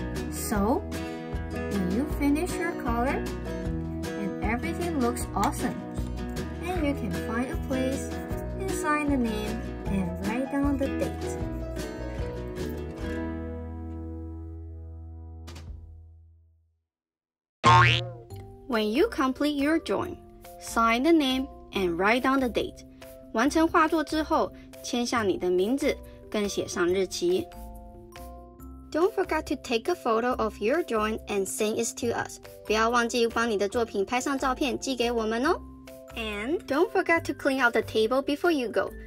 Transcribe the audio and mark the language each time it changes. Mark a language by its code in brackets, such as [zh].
[en] So, when you finish your color, and everything looks awesome, and you can find a place and sign the name and write down the date. When you complete your drawing, sign the name and write down the date. [zh] 完成画作之后，签下你的名字，更写上日期。 [en] Don't forget to take a photo of your drawing and send it to us. [zh] 不要忘记帮你的作品拍上照片寄给我们哦。 [en] And don't forget to clean out the table before you go.